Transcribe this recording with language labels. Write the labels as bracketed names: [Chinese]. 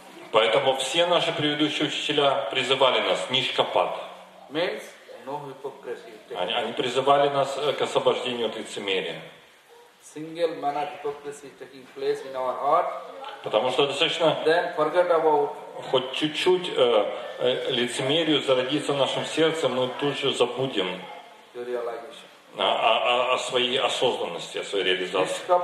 [Russian] Поэтому все наши предыдущие учителя призывали нас нишкапат. Они призывали нас к освобождению от лицемерия. [English] Single manner hypocrisy taking place in our heart. [Russian] Потому что достаточно. [English] Then forget about. [Russian] Хоть чуть-чуть лицемерию зародиться в нашем сердце, мы тут же забудем. О своей осознанности, о своей реализации.